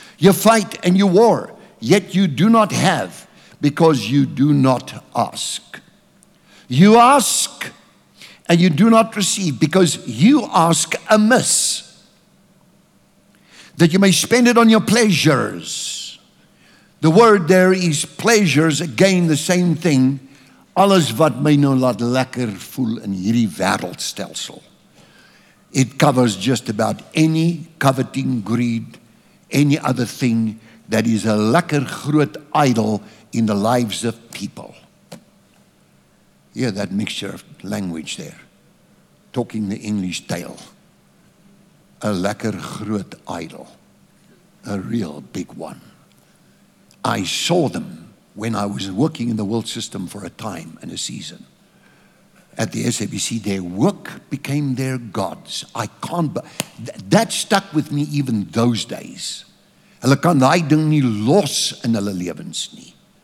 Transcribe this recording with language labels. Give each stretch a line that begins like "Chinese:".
English: You fight and you war. Yet you do not have because you do not ask. You ask and you do not receive because you ask amiss that you may spend it on your pleasures. The word there is pleasures, again, the same thing.
Afrikaans: Alles wat my nou laat lekker voel in hierdie wêreldstelsel.
English: It covers just about any coveting, greed, any other thing that is a
Afrikaans: lekker groot
English: idol in the lives of people. Hear that mixture of language there. Talking the English tale. A
Afrikaans: lekker groot
English: idol. A real big one. I saw them when I was working in the world system for a time and a season. At the SABC, their work became their gods. I can't, that stuck with me even those days.
Afrikaans: Hulle kan daai ding nie los in hulle lewens nie.